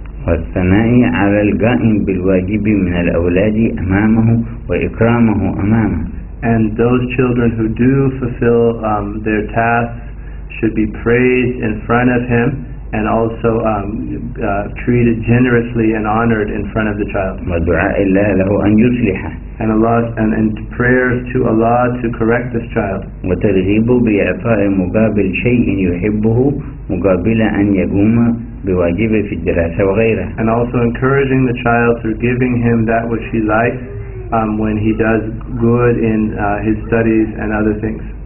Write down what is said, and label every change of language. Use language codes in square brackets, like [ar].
[ar] والثناء على القائم بالواجب من الأولاد أمامه وإكرامه أمامه. [en] And those children who do fulfill their tasks should be praised in front of him and also treated generously and honored in front of the child. [ar] ودعاء الله له أن يصلحه. [en] And Allah and prayers to Allah to correct this child. [ar] وترغيب بإعطاء مقابل شيء يحبه. مقابل أن يقوم بواجبه في الدراسة وغيره. [en] And also encouraging the child through giving him that which he likes when he does good in his studies and other things.